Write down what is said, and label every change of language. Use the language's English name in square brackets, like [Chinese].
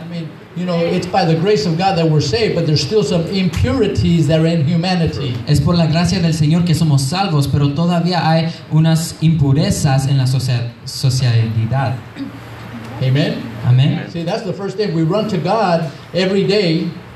[English] I mean, you know, it's by the grace of God that we're saved, but there's still some impurities that are in humanity. [Spanish] Es por la gracia del Señor que somos salvos, pero todavía hay unas impurezas en la sociedad. [English] Amen. [Spanish] Amen. [English] See, that's the first thing. We run to God every day.